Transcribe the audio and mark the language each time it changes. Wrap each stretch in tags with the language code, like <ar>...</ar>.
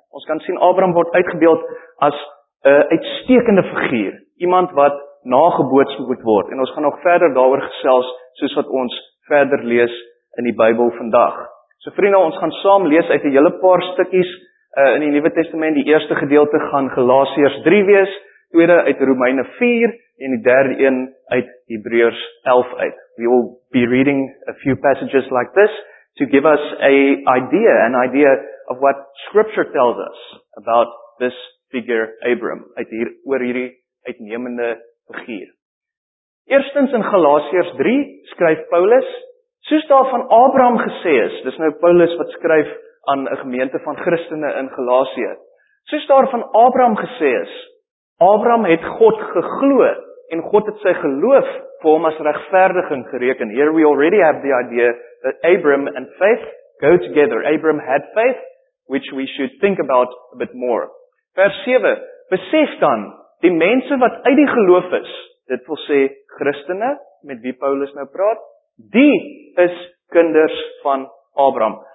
<af>Ons kan sien, Abraham word uitgebeeld as 'n uitstekende figuur, iemand wat nageboots moet word, en ons gaan nog verder daaroor gesels, soos wat ons verder lees in die Bybel vandag. So vriende, ons gaan saam lees uit 'n hele paar stukkies in die Nuwe Testament. Die eerste gedeelte gaan Galasiërs 3 wees, tweede uit Romeine 4, en die derde een uit Hebreërs 11 uit.</af> <en>We will be reading a few passages like this, to give us an idea of what scripture tells us about this figure Abram,</en> <af>oor hierdie uitnemende figuur. Eerstens in Galasiërs 3 skryf Paulus, soos daarvan Abraham gesê is, dis nou Paulus wat skryf aan 'n gemeente van Christene in Galasië, soos daarvan Abraham gesê is, Abraham het God geglo en God het sy geloof vir hom as regverdiging gereken.</af> <en>Here we already have the idea that Abraham and faith go together. Abraham had faith, which we should think about a bit more.</en> <af>Vers 7, besef dan, die mense wat uit die geloof is, dit wil sê Christene, met wie Paulus nou praat, die is kinders van Abraham.</af>